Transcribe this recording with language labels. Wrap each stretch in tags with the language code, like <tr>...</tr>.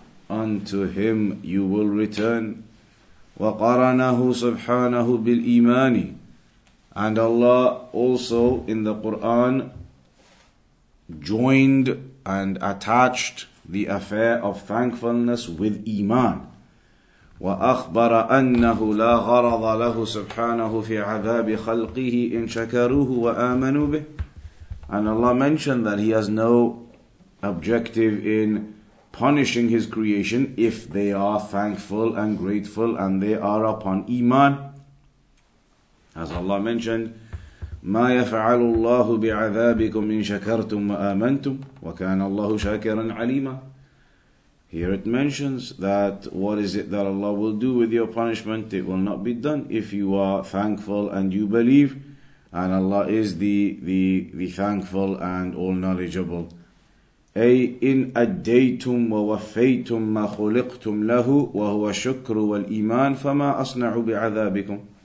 <en>Unto Him you will return.</en> <ar>وقرنه سبحانه بالإيمان.</ar> <en>And Allah also in the Quran joined and attached the affair of thankfulness with iman.</en> <ar>وأخبر أنه لا غرض له سبحانه في عذاب خلقه إن شكروه وآمنوا به.</ar> <en>And Allah mentioned that He has no objective in punishing His creation if they are thankful and grateful and they are upon iman. As Allah mentioned,</en> <ar>مَا يَفْعَلُ اللَّهُ بِعَذَابِكُمْ إِن شَكَرْتُمْ وَآمَنْتُمْ وَكَانَ اللَّهُ شَاكِرًا عَلِيمًا.</ar> <en>Here it mentions that what is it that Allah will do with your punishment? It will not be done if you are thankful and you believe. And Allah is the thankful and all-knowledgeable.</en> <ar>أي إن أديتم ووفيتم ما خلقتم له وهو الشكر والإيمان فما أصنع بعذابكم.</ar>